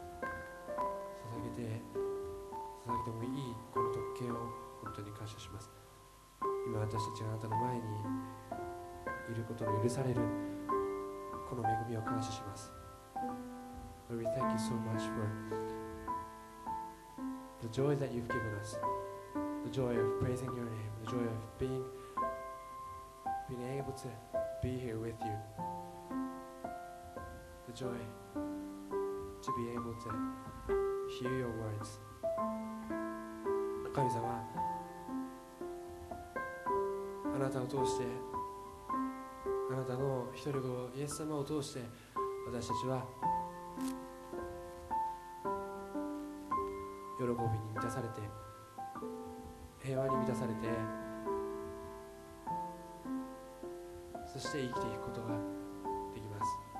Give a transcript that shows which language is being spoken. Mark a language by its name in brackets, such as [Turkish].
[Japanese] 捧げてもいいこの特権を本当に感謝します。今私たちがあなたの前にいることの許されるこの恵みを感謝します。 [English] Lord, we thank you so much for the joy that you've given us, the joy of praising your name, the joy of being able to be here with you, the joy to be able to hear your words. [Japanese] 神様、あなたを通して、あなたの一人子イエス様を通して、私たちは喜びに満たされて、平和に満たされて、そして生きていくことができます。